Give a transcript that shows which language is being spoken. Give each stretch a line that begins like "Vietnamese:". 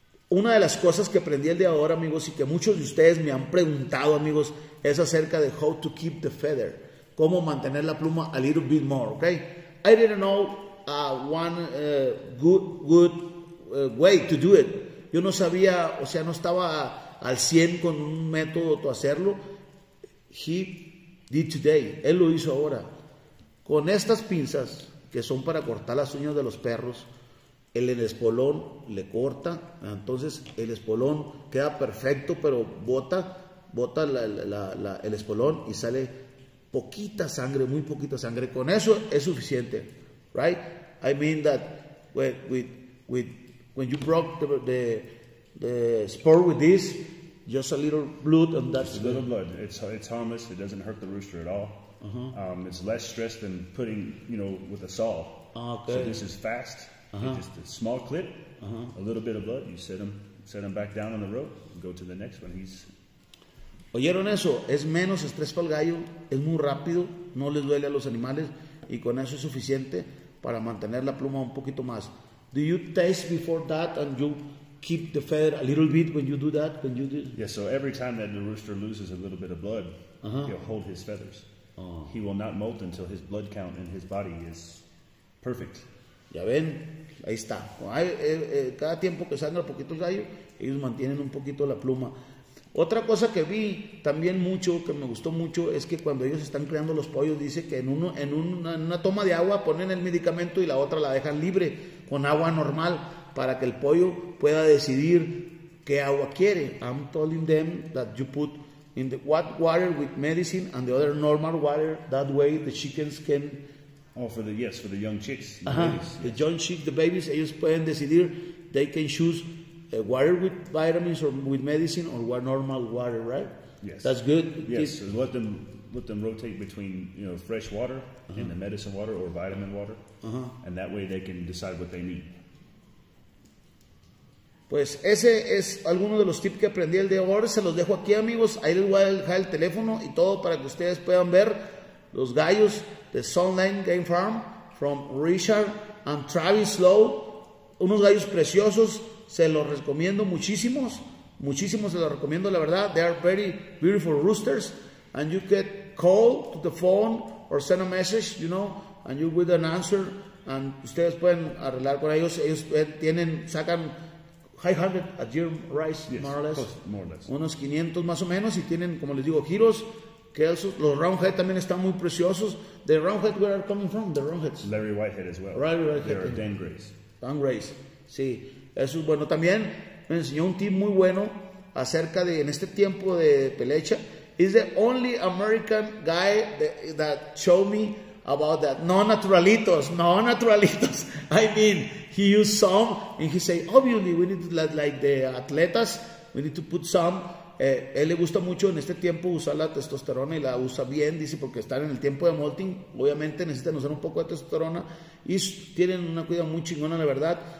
Spanish: Una de las cosas que aprendí el día de ahora, amigos, y que muchos de ustedes me han preguntado, amigos, es acerca de
English: how to keep the feather,
Spanish: cómo mantener la pluma
English: a little bit more, okay? I didn't know one good way to do it.
Spanish: Yo no sabía, o sea, no estaba al 100 con un método para hacerlo.
English: He did today.
Spanish: Él lo hizo ahora. Con estas pinzas, que son para cortar las uñas de los perros, el espolón le corta, entonces el espolón queda perfecto, pero bota el espolón y sale poquita sangre, muy poquita sangre. Con eso es suficiente, right?
English: I mean that when you broke the spur with this, just a little blood and that's good. A little blood. It's harmless. It doesn't hurt the rooster at all. Uh-huh. It's less stress than putting, you know, with a saw. Okay. So this is fast. Uh-huh. Just a small clip, uh-huh. A little bit of blood. You set him back down on the rope. Go to the next one. He's.
Spanish: ¿Oyeron eso? Es menos estrés para el gallo. Es muy rápido. No les duele a los animales. Y con eso es suficiente para mantener la pluma un poquito más.
English: Do you taste before that and you keep the feather a little bit when you do that? When you do. Yeah. So every time that the rooster loses a little bit of blood, uh-huh. He'll hold his feathers. He will not molt until his blood count in his body is perfect.
Spanish: Ya ven, ahí está. Cada tiempo que sangra un poquito el gallo, ellos mantienen un poquito la pluma. Otra cosa que vi también mucho, que me gustó mucho, es que cuando ellos están criando los pollos, dice que en una toma de agua ponen el medicamento y la otra la dejan libre con agua normal para que el pollo pueda decidir qué agua quiere.
English: I'm telling them that you put in the water with medicine and the other normal water, that way the chickens can. Oh, for the young chicks, the uh-huh. babies. The yes. young chicks, the babies,
Spanish: ellos pueden decidir,
English: they can choose water with vitamins or with medicine or normal water, right? Yes. That's good. Yes, so let them rotate between, you know, fresh water uh-huh. and the medicine water or vitamin water, uh-huh. and that way they can decide what they need.
Spanish: Pues ese es alguno de los tips que aprendí el día de hoy. Se los dejo aquí, amigos. Ahí les voy a dejar el teléfono y todo para que ustedes puedan ver los gallos de Sunland Game Farm
English: from Richard and Travis Lowe.
Spanish: Unos gallos preciosos. Se los recomiendo muchísimos. Muchísimos se los recomiendo, la verdad.
English: They are very beautiful roosters. And you can call to the phone or send a message, you know, and you with an answer.
Spanish: And ustedes pueden arreglar con ellos. Ellos tienen, sacan 500 a year rice,
English: yes, more or less.
Spanish: Unos 500 más o menos. Y tienen, como les digo, giros. Kelsos, los roundhead también están muy preciosos.
English: The roundhead, where are coming from? The roundheads. Larry Whitehead as well. Larry Whitehead. They are Dan Grays.
Spanish: Dan Grays. Sí. Eso es bueno. También me enseñó un tip muy bueno acerca de, en este tiempo de pelecha.
English: He's the only American guy that showed me about that.
Spanish: No naturalitos.
English: I mean, he used some and he said, obviously, we need like the atletas, we need to put some.
Spanish: Él le gusta mucho en este tiempo usar la testosterona y la usa bien, dice, porque están en el tiempo de molting, obviamente necesitan usar un poco de testosterona y tienen una cuidad muy chingona, la verdad.